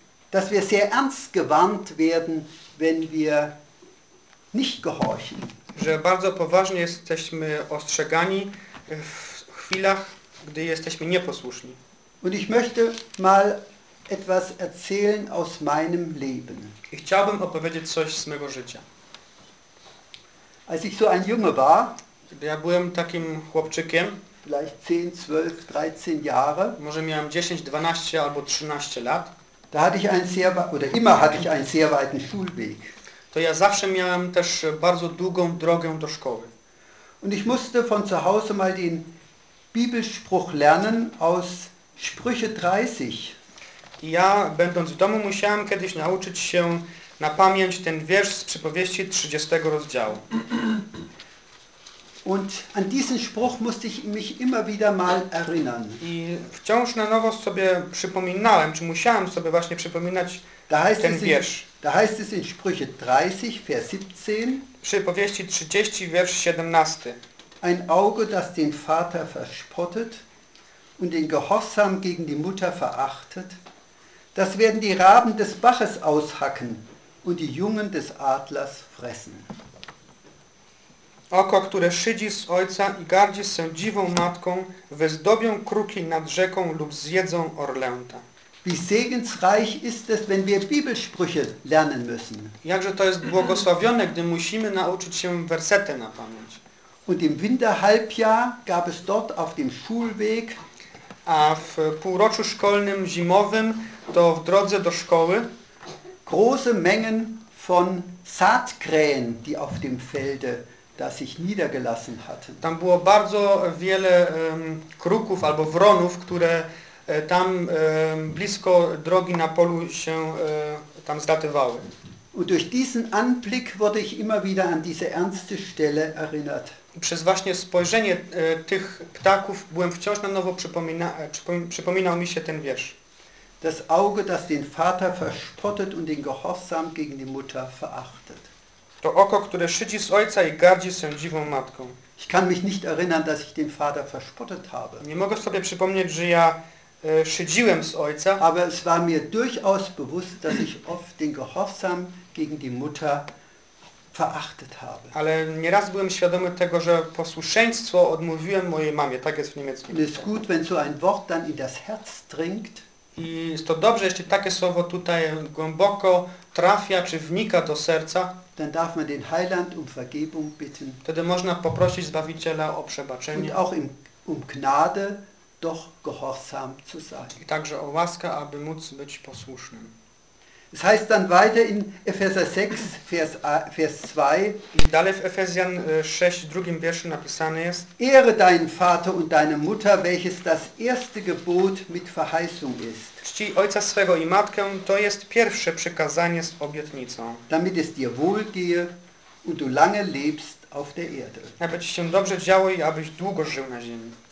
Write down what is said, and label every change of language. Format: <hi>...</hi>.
<de>dass wir sehr ernst gewarnt werden, wenn wir nicht gehorchen.</de> <pl>Że bardzo poważnie jesteśmy ostrzegani w chwilach, gdy jesteśmy nieposłuszni.</pl> <de>Und ich möchte mal etwas erzählen aus meinem Leben.</de> <pl>I chciałbym opowiedzieć coś z mego życia.</pl> <de>Als ich so ein Junge war,</de> <pl>ja byłem takim chłopczykiem,</pl> <de>vielleicht 10, 12, 13 Jahre,</de> <pl>może miałem 10, 12 albo 13 lat,</pl> <de>da hatte ich einen sehr, oder immer hatte ich einen sehr weiten Schulweg.</de> <pl>To ja zawsze miałem też bardzo długą drogę do szkoły.</pl> <de>Und ich musste von zu Hause mal den Bibelspruch lernen aus Sprüche 30.</de> <pl>I ja, będąc w domu, musiałem kiedyś nauczyć się na pamięć ten wiersz z Przypowieści 30 rozdziału.</pl> <de>Und an diesen Spruch musste ich mich immer wieder mal erinnern.</de> <pl>I wciąż na nowo sobie przypominałem, czy musiałem sobie właśnie przypominać ten wiersz.</pl> <de>Da heißt es in Sprüche 30, Vers 17.</de> <pl>Przypowieści 30, wiersz 17.</pl> <de>Ein Auge, das den Vater verspottet und den Gehorsam gegen die Mutter verachtet, das werden die Raben des Baches aushacken und die Jungen des Adlers fressen.</de> <pl>Oko, które szydzi z ojca i gardzi sędziwą matką, wyzdobią kruki nad rzeką lub zjedzą orlęta.</pl> <de>Wie segensreich ist es, wenn wir Bibelsprüche lernen müssen.</de> <pl>Jakże to jest błogosławione, gdy musimy nauczyć się wersety na pamięć.</pl> <de>Und im Winterhalbjahr gab es dort auf dem Schulweg,</de> <pl>a w półroczu szkolnym zimowym, to w drodze do szkoły,</pl> <de>große Mengen von Saatkrähen, die auf dem Felde das sich niedergelassen hatten.</de> <pl>Tam było bardzo wiele kruków albo wronów, które tam blisko drogi na polu się tam zlatywały.</pl> <de>Und durch diesen Anblick wurde ich immer wieder an diese ernste Stelle erinnert.</de> <pl>Przez właśnie spojrzenie tych ptaków byłem wciąż na nowo przypominał mi się ten wiersz.</pl> <de>Das Auge, das den Vater verspottet und den Gehorsam gegen die Mutter verachtet.</de> <pl>To oko, które szydzi z ojca i gardzi sędziwą matką.</pl> <de>Ich kann mich nicht erinnern, dass ich den Vater verspottet habe.</de> <pl>Nie mogę sobie przypomnieć, że ja szydziłem z ojca.</pl> <de>Aber es war mir durchaus bewusst, dass ich oft den Gehorsam gegen die Mutter verachtet habe.</de> <pl>Ale nieraz byłem świadomy tego, że posłuszeństwo odmówiłem mojej mamie. Tak jest w niemieckim.</pl> <de>Es ist gut, wenn so ein Wort dann in das Herz dringt.</de> <pl>I jest to dobrze, jeśli takie słowo tutaj głęboko trafia, czy wnika do serca.</pl> <de>Dann darf man den Heiland um Vergebung bitten.</de> <pl>Wtedy można poprosić Zbawiciela o przebaczenie.</pl> <de>Und auch um Gnade, doch gehorsam zu sein.</de> <pl>I także o łaskę, aby móc być posłusznym.</pl> <de>Es heißt dann weiter in Epheser 6, Vers 2.</de> <pl>I dalej w Efezjan 6, drugim wierszu napisane jest:</pl> <de>Ehre deinen Vater und deine Mutter, welches das erste Gebot mit Verheißung ist.</de> <pl>Czci ojca swego i matkę, to jest pierwsze przykazanie z obietnicą.</pl> <de>Damit es dir wohl gehe und du lange lebst auf der Erde.</de> <pl>Aby ci się dobrze działo i abyś długo żył na ziemi.</pl>